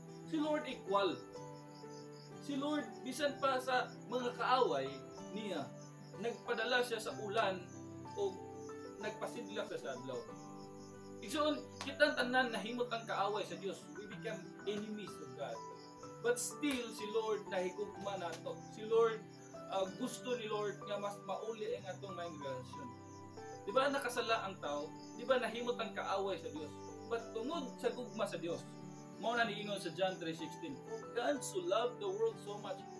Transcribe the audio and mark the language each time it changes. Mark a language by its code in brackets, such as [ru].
[ceb] Si Lord equal. Si Lord bisan pa sa mga kaaway niya, nagpadala siya sa ulan o nagpasidlak siya sa adlaw. Igsoon, kita tanan nahimot ang kaaway sa Dios. [en] We become enemies of God. [ceb] But still, si Lord nahigugma nato. Si Lord, gusto ni Lord nga mas mauli ang atong mga relasyon. Di ba nakasala ang tao? Di ba nahimot ang kaaway sa Dios? But tungod sa gugma sa Dios, mao na niingon sa John 3:16, God so loved the world so much.